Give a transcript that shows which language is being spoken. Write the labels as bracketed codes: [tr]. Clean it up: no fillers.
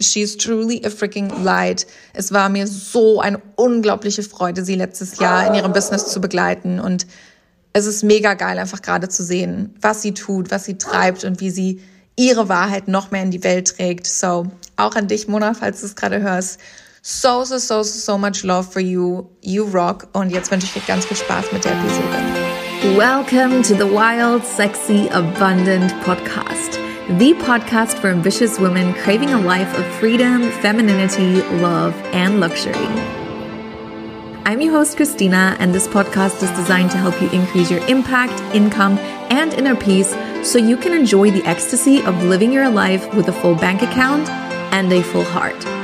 [en] She is truly a freaking light. [de] Es war mir so eine unglaubliche Freude, sie letztes Jahr in ihrem Business zu begleiten. Und es ist mega geil, einfach gerade zu sehen, was sie tut, was sie treibt und wie sie ihre Wahrheit noch mehr in die Welt trägt. So, auch an dich, Mona, falls du es gerade hörst. [en] So, so, so, so, so much love for you. You rock. [de] Und jetzt wünsche ich dir ganz viel Spaß mit der Episode. [en] Welcome to the Wild, Sexy, Abundant Podcast. The podcast for ambitious women craving a life of freedom, femininity, love and luxury. I'm your host, Christina, and this podcast is designed to help you increase your impact, income, and inner peace so you can enjoy the ecstasy of living your life with a full bank account and a full heart.